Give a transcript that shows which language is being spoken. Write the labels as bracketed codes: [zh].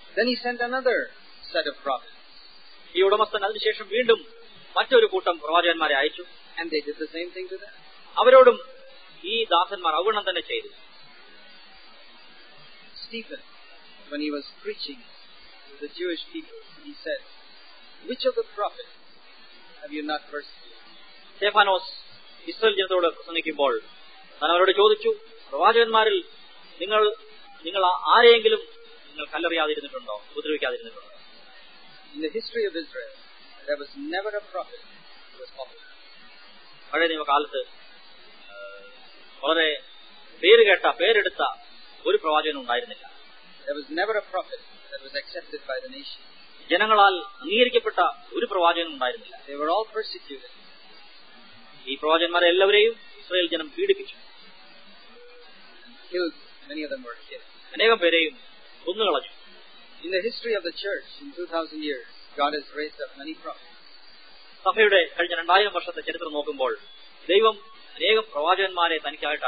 [en] Then he sent another set of prophets. [ml] ഈ ഉടമസ്ഥൻ അതിനുശേഷം വീണ്ടും മറ്റൊരു കൂട്ടം പ്രവാചകന്മാരെ അയച്ചു. [en] And they did the same thing to them. [ml] അവരോടും ഈ ദാസന്മാർ അവഗണം തന്നെ ചെയ്തു. [en] Stephen, when he was preaching to the Jewish people, he said, which of the prophets have you not persecuted? [ml] Stephanos Israel ജനത്തോട് പ്രസംഗിക്കുമ്പോൾ താൻ അവരോട് ചോദിച്ചു, പ്രവാചകന്മാരിൽ നിങ്ങൾ ആരെയെങ്കിലും നിങ്ങൾ കല്ലെറിയാതിരുന്നിട്ടുണ്ടോ, ഉപദ്രവിക്കാതിരുന്നിട്ടുണ്ടോ? [en] In the history of Israel, there was never a prophet who was popular. [ml] പഴയ നിയമകാലത്ത് വളരെ പേരുകേട്ട, പേരെടുത്ത ഒരു പ്രവാചകൻ ഉണ്ടായിരുന്നില്ല. [en] There was never a prophet that was accepted by the nation. [ml] ജനങ്ങളാൽ അംഗീകരിക്കപ്പെട്ട ഒരു പ്രവാചകൻ ഉണ്ടായിരുന്നില്ല. [en] They were all persecuted. [ml] ഈ പ്രവാചകന്മാരെ എല്ലാവരെയും ഇസ്രായേൽ ജനം പീഡിപ്പിച്ചു. [en] Killed many of them were killed. [ml] അനേകം പേരെയും കൊന്നുകളഞ്ഞു. [en] In the history of the church in 2000 years, God has raised up many prophets. [ml] സഭയുടെ കഴിഞ്ഞ 2000 വർഷത്തെ ചരിത്രം നോക്കുമ്പോൾ ദൈവം അനേകം പ്രവാചകന്മാരെ തനിക്കായിട്ട്